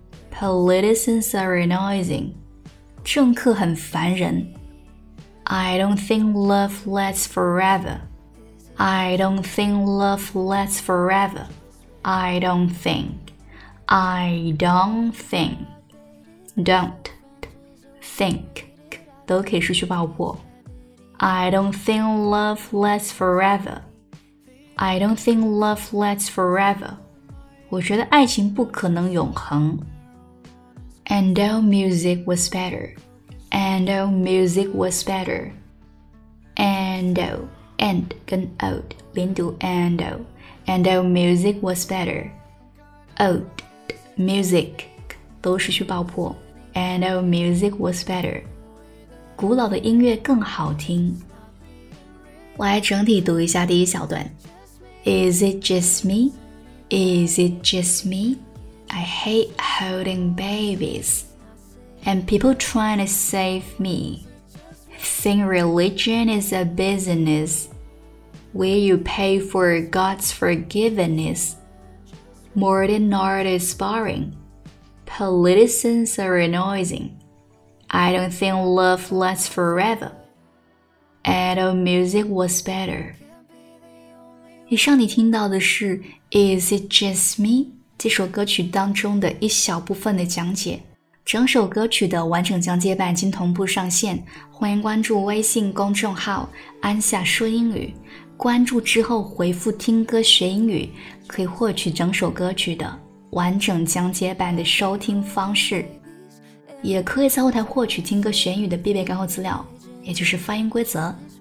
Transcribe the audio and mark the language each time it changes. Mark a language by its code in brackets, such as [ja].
[en] Politicians are annoying [zh] 政客很烦人 [en] I don't think love lasts forever I don't think love lasts forever I don't think I don't think Don't Think [zh] 都可以失去爆破 [en] I don't think love lasts foreverI don't think love lasts forever. [zh] 我觉得爱情不可能永恒。 [en] And our music was better. And our music was better. And our, and [zh] 跟 [en] old, [zh] 连读 [en] and our. And our music was better. [zh] Old, music, 都是去爆破。 [en] And our music was better. [zh] 古老的音乐更好听。我来整体读一下第一小段。 [en] Is it just me? Is it just me? I hate holding babies. And people trying to save me. Think religion is a business. Where you pay for God's forgiveness. Modern art is boring. Politicians are annoying. I don't think love lasts forever. Adult music was better. [zh] 以上你听到的是 Is It Just Me 这首歌曲当中的一小部分的讲解，整首歌曲的完整讲解版经同步上线，欢迎关注微信公众号安夏说英语，关注之后回复听歌学英语，可以获取整首歌曲的完整讲解版的收听方式，也可以在后台获取听歌学英语的必备干货资料，也就是发音规则。